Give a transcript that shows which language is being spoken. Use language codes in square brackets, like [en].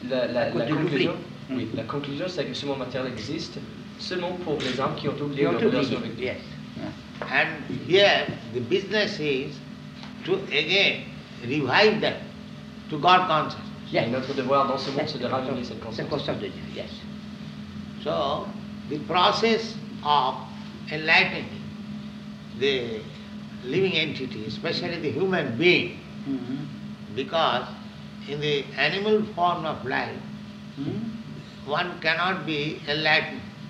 [fr] La conclusion, c'est que ce monde matériel existe seulement pour les âmes qui ont oublié leur relation avec Dieu. [en] Yes. And here the business is to again revive them to God consciousness. [fr] Yes. Et notre devoir dans ce monde, c'est de ramener cette conscience. Cette conscience de Dieu. Yes. [en] So the process of enlightening the living entity, especially the human being, mm-hmm. because in the animal form of life, mm-hmm. one cannot be enlightened.